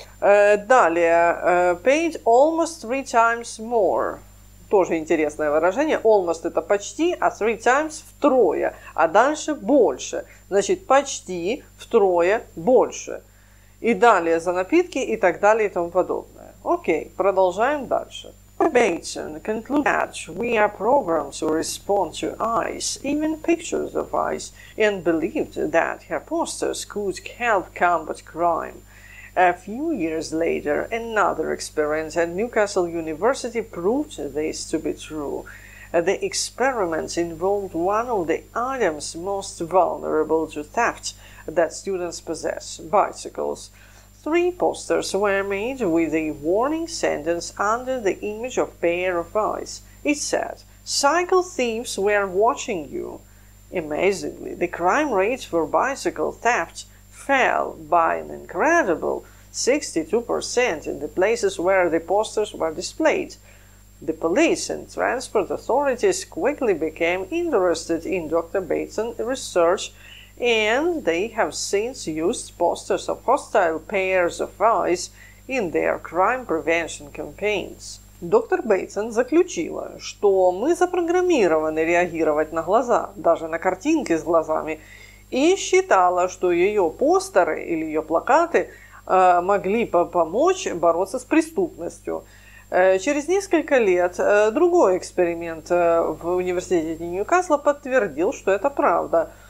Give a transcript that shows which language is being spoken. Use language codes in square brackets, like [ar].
[ru] Далее, [en] paid almost three times more. [ru] Тоже интересное выражение. Almost это почти, а [en] three times [ru] втрое. А дальше больше. Значит, почти втрое больше. И далее за напитки и так далее и тому подобное. Окей, продолжаем дальше. [en] Bateson concludes that we are programmed to respond to eyes, even pictures of eyes, and believed that her posters could help combat crime. A few years later, another experiment at Newcastle University proved this to be true. The experiment involved one of the items most vulnerable to theft that students possess, bicycles. Three posters were made with a warning sentence under the image of a pair of eyes. It said, cycle thieves were watching you. Amazingly, the crime rate for bicycle theft fell by an incredible 62% in the places where the posters were displayed. The police and transport authorities quickly became interested in Dr. Bateson's research, and they have since used posters of hostile pairs of eyes in their crime prevention campaigns. [ru] Доктор Бейтсон заключила, что мы запрограммированы реагировать на глаза, даже на картинки с глазами, и считала, что ее постеры или ее плакаты могли помочь бороться с преступностью. Через несколько лет другой эксперимент в университете Ньюкасла подтвердил, что это правда.